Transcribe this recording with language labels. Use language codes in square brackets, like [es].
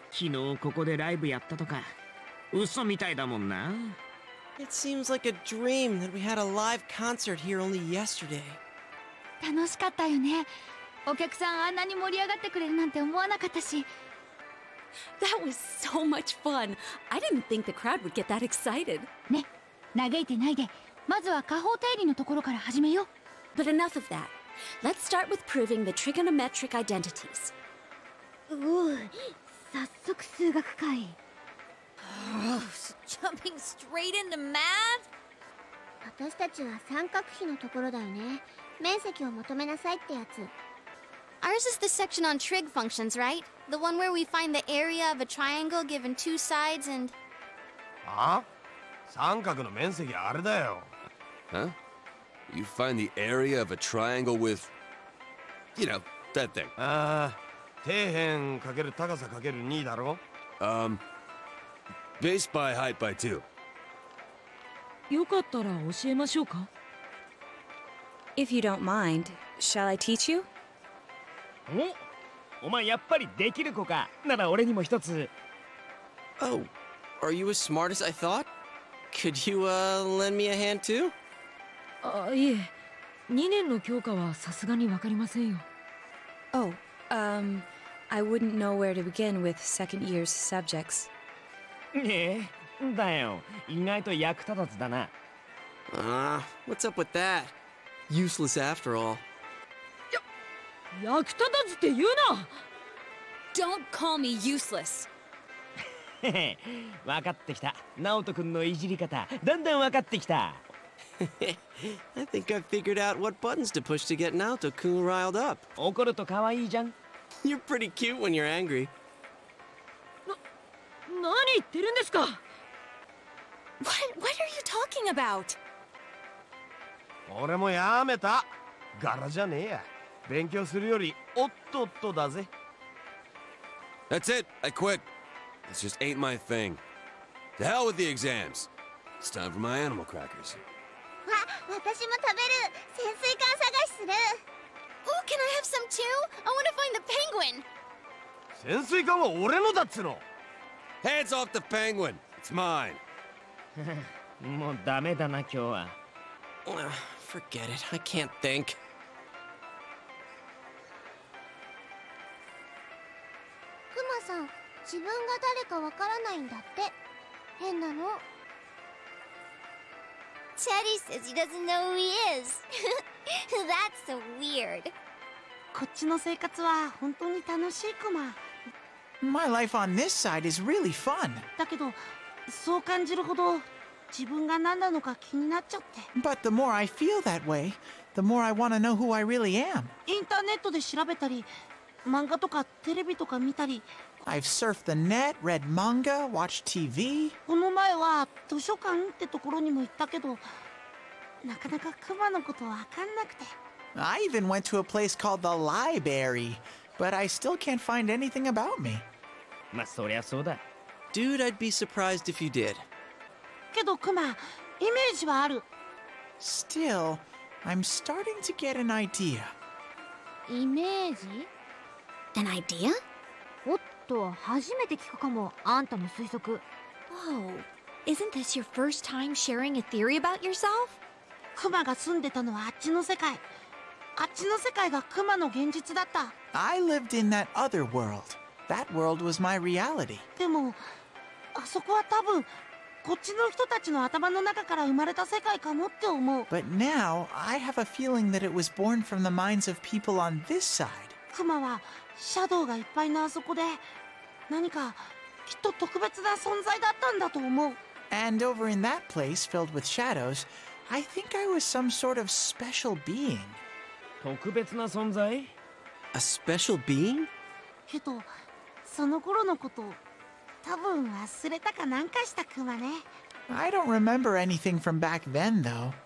[ja] 昨日ここでライブやったとか嘘みたいだもんな。 [en] It seems like a dream that we had a live concert here only yesterday. [ja] 楽しかったよね。お客さんあんなに盛り上がってくれるなんて思わなかったし。 [en] That was so much fun. I didn't think the crowd would get that excited. [ja] ね、嘆いてないで。まずは下方定理のところから始めよう。 [en] But enough of that. Let's start with proving the trigonometric identities. [ja] Ooh, 早速数学かい。 [en] Jumping straight into math? [ja] 私たちは三角比のところだよね。面積を求めなさいってやつ。 [en] Ours is the section on trig functions, right? The one where we find the area of a triangle given two sides and... [ja] あ？三角の面積あれだよ。 [en] Huh? You find the area of a triangle with... You know, that thing. [ja] ああ、底辺かける高さかける2だろ？ [en] Base by height by two. [ja] よかったら教えましょうか? [en] If you don't mind, shall I teach you? [ja] お? お前やっぱりできる子か。なら俺にも一つ。 [en] Oh, are you as smart as I thought? Could you, lend me a hand too? [ja] あ、いえ。 2年の教科はさすがにわかりませんよ。 [en] Oh, I wouldn't know where to begin with second year's subjects. [ja] ねえ、だよ。意外と役立たずだな。 [en] ああ、what's up with that? Useless after all. [ja] 役立たずって言うな。 [en] Don't call me useless. [ja] わかってきた。ナオト君のいじり方、だんだんわかってきた。 [en] I think I've figured out what buttons to push to get Naoto Kun riled up. [ja] 怒ると可愛いじゃん。 [en] You're pretty cute when you're angry. [ja] 何言ってるんですか? [en] What are you talking about? [ja] 俺もやめた。柄じゃねえや。勉強するより、おっとっとだぜ。 [en] That's it. I quit. This just ain't my thing. To hell with the exams. It's time for my animal crackers. [ja] わ、私も食べる。潜水艦探しする。 [en] Oh, can I have some too? I want to find the penguin. [ja] 潜水艦は俺のだっつの。 [en] Hands off the penguin! It's mine! [ja] もうダメだな、今日は。 [en] Forget it. I can't think. [ja] クマさん、自分が誰かわからないんだって。変なの。 [en] Teddy says he doesn't know who he is. That's so weird. [ja] こっちの生活は本当に楽しい、クマ。 [en] My life on this side is really fun. [ja] だけど、そう感じるほど自分が何なのか気になっちゃって。 [en] But the more I feel that way, the more I want to know who I really am. [ja] インターネットで調べたり、漫画とかテレビとか見たり。 [en] I've surfed the net, read manga, watched TV. [ja] この前は図書館ってところにも行ったけど、なかなかクマのことわかんなくて。 [en] I even went to a place called the library. But I still can't find anything about me. [ja] まあ、そりゃそうだ。 [en] Dude, I'd be surprised if you did. [ja] けど、クマ、イメージはある。 [en] Still, I'm starting to get an idea. [ja] イメージ? [en] An idea? [ja] おっと、初めて聞くかも、あんたの推測。 [en] Whoa, isn't this your first time sharing a theory about yourself? [ja] クマが住んでたのはあっちの世界。あっちの世界がクマの現実だった。 [en] I lived in that other world. That world was my reality. [ja] でも、あそこは多分、こっちの人たちの頭の中から生まれた世界かもって思う。 [en] But now, I have a feeling that it was born from the minds of people on this side. [ja] クマは、シャドウがいっぱいのあそこで、何か、きっと特別な存在だったんだと思う。 [en] And over in that place, filled with shadows, I think I was some sort of special being. [ja] 特別な存在? [en] A special being? [ja] けど、その頃のこと、多分忘れたかなんかしたクマね。 [en] I don't remember anything from back then, though.